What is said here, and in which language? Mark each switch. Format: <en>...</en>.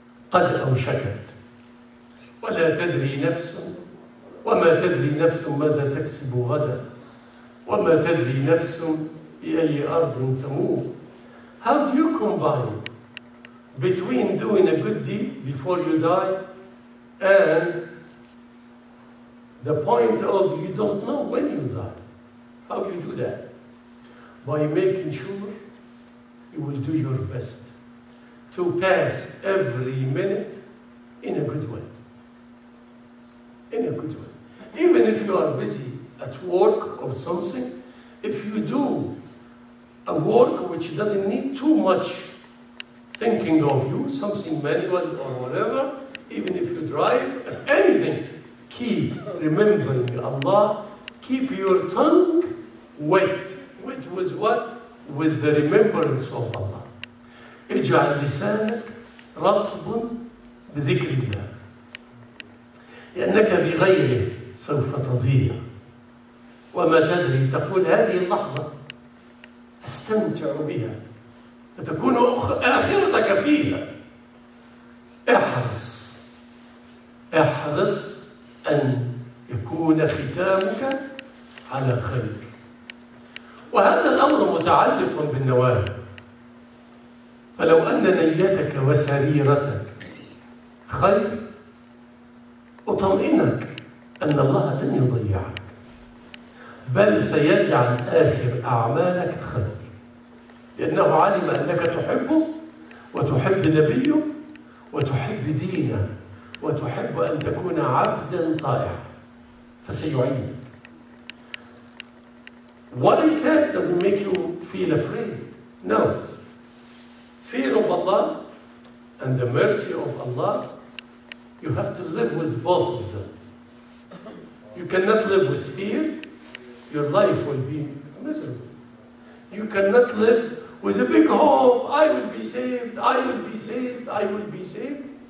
<ar>قد أوشكت ولا تدري نفس وما تدري نفس ماذا تكسب غدا وما تدري نفس بأي أرض تموت</ar> <en>How do you combine between doing a good deed before you die And the point of you don't know when you die. How you do that? By making sure you will do your best to pass every minute in a good way. In a good way. Even if you are busy at work or something, if you do a work which doesn't need too much thinking of you, something manual or whatever, even if you drive, anything, keep remembering Allah, keep your tongue wet. Wet with what? With the remembrance of Allah.</en> <ar>اجعل لسانك رطب بذكر الله. لأنك بغيره سوف تضيع. وما تدري تقول هذه اللحظة استمتع بها. فتكون آخرتك فيها. احرص. احرص أن يكون ختامك على خير وهذا الأمر متعلق بالنوايا فلو أن نيتك وسريرتك خير أطمئنك أن الله لن يضيعك بل سيجعل آخر أعمالك خير لأنه علم أنك تحبه وتحب نبيه وتحب دينه وتحب أن تكون عبداً طائعاً فسيعينك.</ar> <en>What I said doesn't make you feel afraid. No. Fear of Allah and the mercy of Allah, you have to live with both of them. You cannot live with fear, your life will be miserable. You cannot live with a big hope, I will be saved, I will be saved, I will be saved.</en>